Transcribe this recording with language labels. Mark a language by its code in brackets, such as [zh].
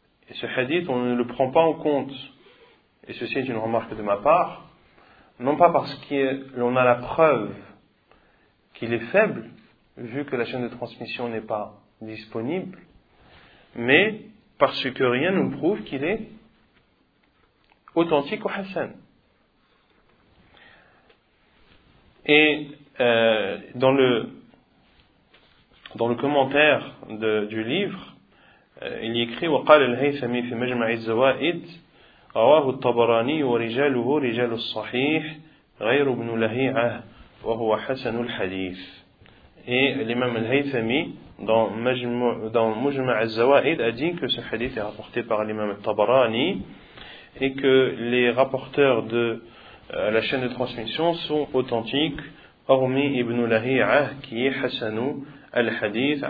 [fr] Et ce hadith, on ne le prend pas en compte, et ceci est une remarque de ma part, non pas parce qu'on a la preuve qu'il est faible, vu que la chaîne de transmission n'est pas disponible, mais parce que rien ne prouve qu'il est authentique ou hassan. Et dans le commentaire de, du livre, il y écrit [ar] وقال الهيثمي في مجمع الزوائد رواه الطبراني ورجاله رجال الصحيح غير ابن لهيعة وهو حسن الحديث. [fr] Et l'imam al-Haythami dans Mujma al-Zawaid a dit que ce hadith est rapporté par l'imam al-Tabarani et que les rapporteurs de la chaîne de transmission sont authentiques hormis Ibn Lahi'ah qui est Hassanu al-Hadith.